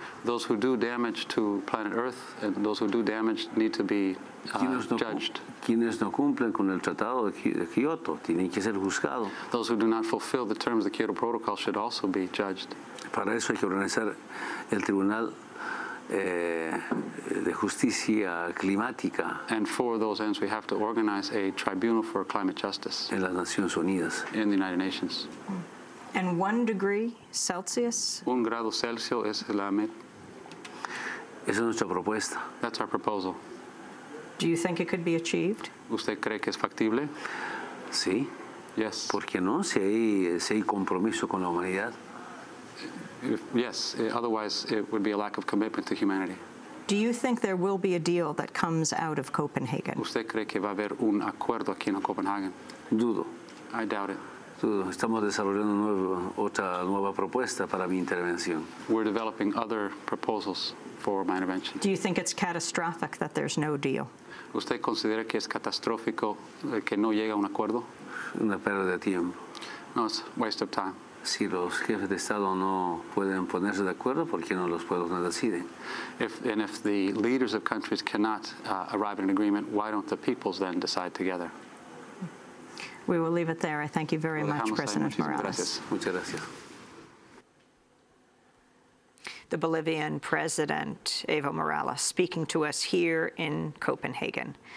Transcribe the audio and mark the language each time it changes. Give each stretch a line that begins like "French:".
English: Those who do damage to planet Earth and those who do damage need to be judged.
Spanish: Quienes no cumplen con el tratado de Kyoto tienen que ser juzgados.
English: Those who do not fulfill the terms of the Kyoto Protocol should also be judged.
Spanish: Para eso hay que organizar el tribunal de justicia climática.
English: And for those ends, we have to organize a tribunal for climate justice.
Spanish: En las Naciones Unidas.
English: In the United Nations. And 1 degree Celsius?
Spanish: 1 grado Celsius es la meta. Esa es nuestra propuesta.
English: That's our proposal. Do you think it could be achieved?
Spanish: ¿Usted cree que es factible? Sí.
English: Yes.
Spanish: ¿Por qué no? Si hay compromiso con la humanidad.
English: If, yes. Otherwise, it would be a lack of commitment to humanity. Do you think there will be a deal that comes out of Copenhagen?
Spanish: ¿Usted cree que va a haber un acuerdo aquí en Copenhagen? Dudo.
English: I doubt it.
Spanish: Estamos desarrollando otra nueva propuesta para mi intervención.
English: We're developing other proposals for my intervention. Do you think it's catastrophic that there's no deal?
Spanish: ¿Usted considera que es catastrófico que no llegue a un acuerdo? Una pérdida de tiempo.
English: No, it's a waste of time.
Spanish: Si los jefes de Estado no pueden ponerse de acuerdo, ¿por qué no los pueblos no deciden?
English: If the leaders of countries cannot arrive at an agreement, why don't the peoples then decide together? We will leave it there. I thank you very much, President Morales.
Spanish: Muchas gracias.
English: The Bolivian President, Evo Morales, speaking to us here in Copenhagen.